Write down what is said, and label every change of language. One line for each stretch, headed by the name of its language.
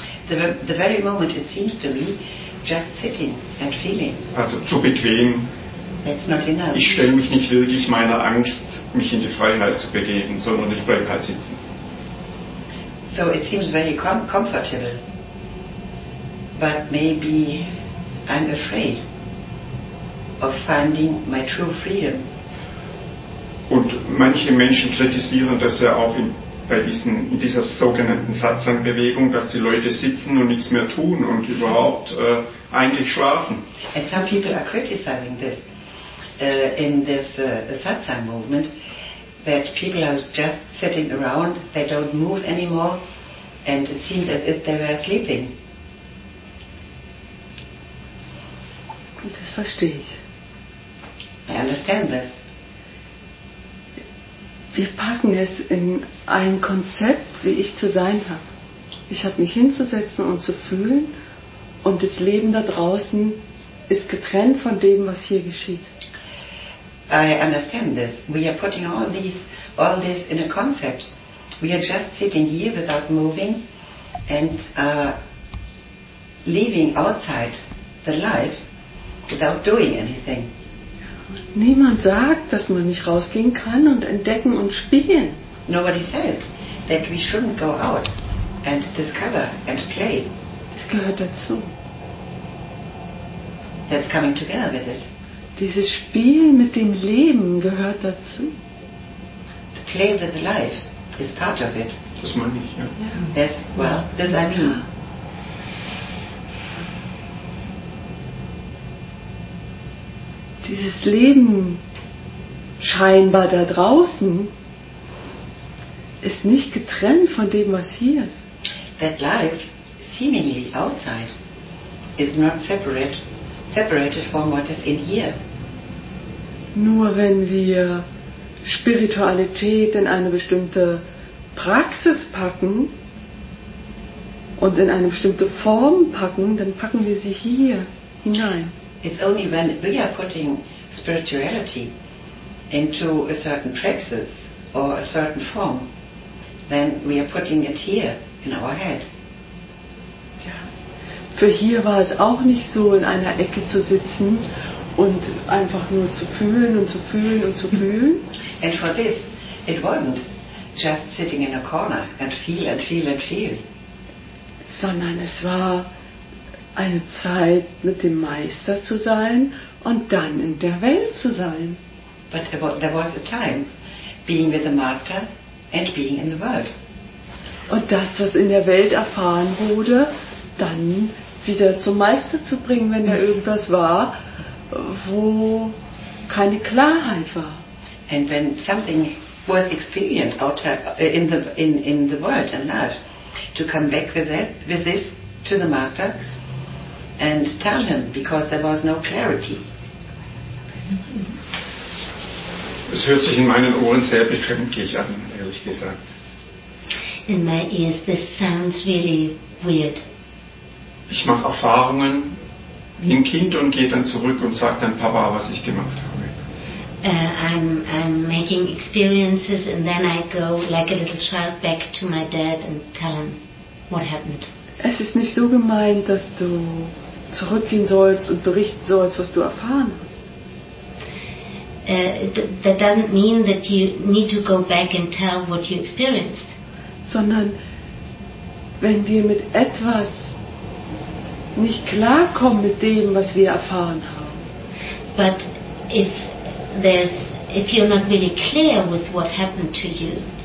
English: The very moment it seems to me, just sitting and feeling.
German: Also zu bequem.
English: That's not enough.
German: Ich stelle mich nicht wirklich meiner Angst, mich in die Freiheit zu begeben, sondern ich bleibe halt sitzen.
English: So it seems very comfortable. But maybe I'm afraid of finding my true freedom.
German: Und manche Menschen kritisieren das ja auch in dieser sogenannten Satsang-Bewegung, dass die Leute sitzen und nichts mehr tun und überhaupt eigentlich schlafen.
English: And some people are criticizing this, in this satsang movement that people are just sitting around, they don't move anymore, and it seems as if they were sleeping.
German: Das verstehe ich.
English: I understand this.
German: Wir packen es in ein Konzept, wie ich zu sein habe. Ich habe mich hinzusetzen und zu fühlen, und das Leben da draußen ist getrennt von dem, was hier geschieht.
English: I understand this. We are putting all this in a concept. We are just sitting here without moving and leaving outside the life without doing anything.
German: Niemand sagt, dass man nicht rausgehen kann und entdecken und spielen.
English: Nobody says that we shouldn't go out and discover and play.
German: Es gehört dazu.
English: That's coming together with it.
German: Dieses Spiel mit dem Leben gehört dazu.
English: The play with the life is part of it.
German: Das meine ich, ja.
English: Yes, well, this I mean.
German: Dieses Leben scheinbar da draußen ist nicht getrennt von dem, was hier ist.
English: That life, seemingly outside, is not separated from what is in here.
German: Nur wenn wir Spiritualität in eine bestimmte Praxis packen und in eine bestimmte Form packen, dann packen wir sie hier hinein.
English: It's only when we are putting spirituality into a certain praxis or a certain form, then we are putting it here in our head.
German: Ja. Für hier war es auch nicht so, in einer Ecke zu sitzen und einfach nur zu fühlen und zu fühlen und zu fühlen.
English: And for this, it wasn't just sitting in a corner and feel and feel and feel.
German: Sondern es war eine Zeit, mit dem Meister zu sein und dann in der Welt zu sein.
English: But there was a time being with the master and being in the world.
German: Und das, was in der Welt erfahren wurde, dann wieder zum Meister zu bringen, wenn da irgendwas war, wo keine Klarheit war.
English: And when something was experienced in the world and life, to come back with this to the master and tell him, because there was no clarity.
German: Es hört sich in meinen Ohren sehr befremdlich an, ehrlich gesagt.
English: In my ears this sounds really weird.
German: Ich mache Erfahrungen wie ein Kind und gehe dann zurück und sage dann Papa, was ich gemacht habe.
English: I'm making experiences and then I go like a little child back to my dad and tell him what happened.
German: Es ist nicht so gemeint, dass du zurückgehen sollst und berichten sollst, was du erfahren hast.
English: That doesn't mean that you need to go back and tell what you experienced.
German: Sondern wenn wir mit etwas nicht klarkommen mit dem, was wir erfahren haben.
English: But if you're not really clear with what happened to you,